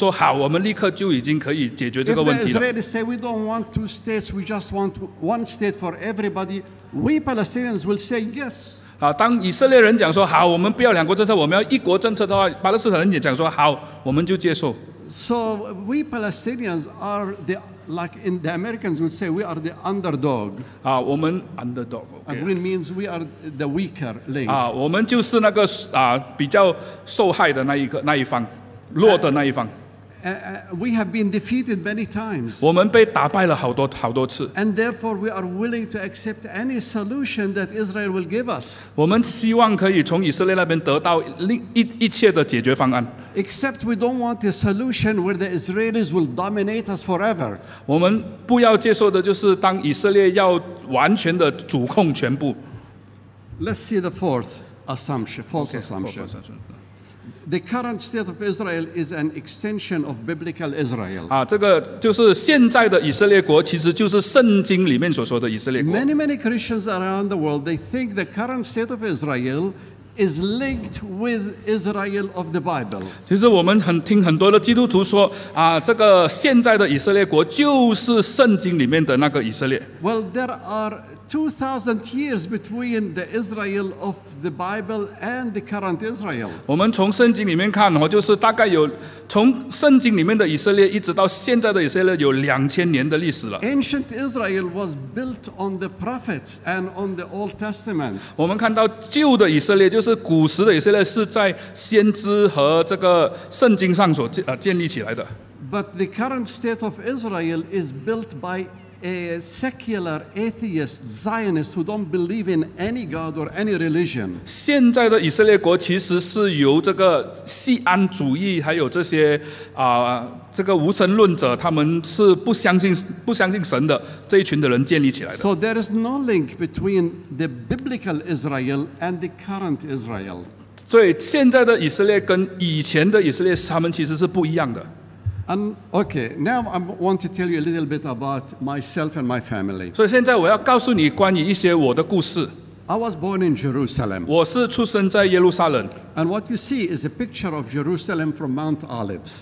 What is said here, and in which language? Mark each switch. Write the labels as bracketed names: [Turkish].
[Chinese] 如果他们讲要拿那个两国政策的话，他们说好，我们立刻就已经可以解决这个问题了。 [English] If the Israelis say, "We don't want two states, we just want one state for everybody," we Palestinians will say, "Yes." [Chinese] 当以色列人讲说好，我们不要两国政策，我们要一国政策的话，巴勒斯坦人也讲说好，我们就接受。 [English] So we Palestinians are the, like in the Americans would say, we are the underdog. [Chinese] 我们underdog. [English] And it means we are the weaker link. [Chinese] 我们就是那个比较受害的那一方。弱的那一方。 [English] We have been defeated many times. [Chinese] 我们被打败了好多好多次。 [English] And therefore, we are willing to accept any solution that Israel will give us. [Chinese] 我们希望可以从以色列那边得到一切的解决方案。 [English] Except we don't want a solution where the Israelis will dominate us forever. [Chinese] 我们不要接受的就是当以色列要完全的主控全部。 [English] Let's see the fourth assumption, false assumption. The current state of Israel is an extension of biblical Israel. [Chinese] 啊，这个就是现在的以色列国，其实就是圣经里面所说的以色列国。 [English] Many, many Christians around the world, they think the current state of Israel is linked with Israel of the Bible. [Chinese] 其实我们很听很多的基督徒说，啊，这个现在的以色列国就是圣经里面的那个以色列。 [English] Well, there are 2,000 years between the Israel of the Bible and the current Israel. [Chinese] 我们从圣经里面看，就是大概有从圣经里面的以色列一直到现在的以色列有2000年的历史了。 [English] Ancient Israel was built on the prophets and on the Old Testament. [Chinese] 我们看到旧的以色列，就是古时的以色列，是在先知和这个圣经上所建立起来的。 [English] But the current state of Israel is built by a secular atheist Zionist who don't believe in any god or any religion. [Chinese] 现在的以色列国其实是由这个锡安主义还有这些这个无神论者，他们是不相信神的这一群的人建立起来的。 [English] So there is no link between the biblical Israel and the current Israel. [Chinese] 对，现在的以色列跟以前的以色列，他们其实是不一样的。 [English] And okay, now I want to tell you a little bit about myself and my family. [Chinese] 所以现在我要告诉你关于一些我的故事。 [English] I was born in Jerusalem. [Chinese] 我是出生在耶路撒冷。 [English] And what you see is a picture of Jerusalem from Mount Olives.